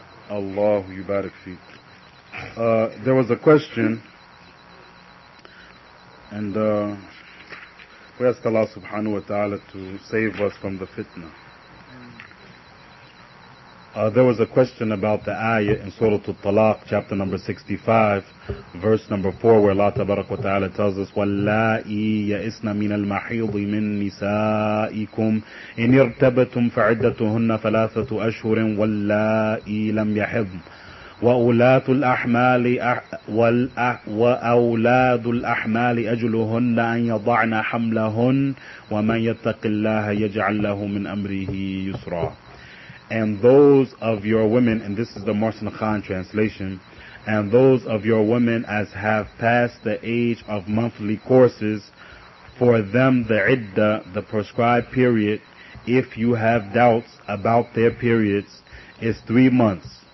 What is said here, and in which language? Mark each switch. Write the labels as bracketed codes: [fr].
[ar] Allahu yubarak fi. [en] There was a question, and we ask Allah subhanahu wa ta'ala to save us from the fitna. There was a question about the ayah in Surah At-Talaq, chapter number 65, verse number 4, where Allah Tabaraka wa Ta'ala tells us, [ar] وَاللَّائِي يَئِسْنَ مِنَ الْمَحِيضِ مِنْ نِسَائِكُمْ إِنْ ارْتَبْتُمْ فَعِدَّتُهُنَّ ثَلَاثَةُ أَشْهُرٍ وَاللَّائِي لَمْ يَحِضْنَ وَأُولَاتُ الْأَحْمَالِ وَأَوْلَادُ الْأَحْمَالِ أَجْلُهُنَّ أَنْ يَضَعْنَ حَمْلَهُنَّ وَمَنْ يَتَّقِ اللَّهَ يَجْعَلْ لَهُ مِنْ أَمْرِهِ يُسْرًا. [en] And those of your women, and this is the Marsan Khan translation, and those of your women as have passed the age of monthly courses, for them the iddah, the prescribed period, if you have doubts about their periods, is 3 months.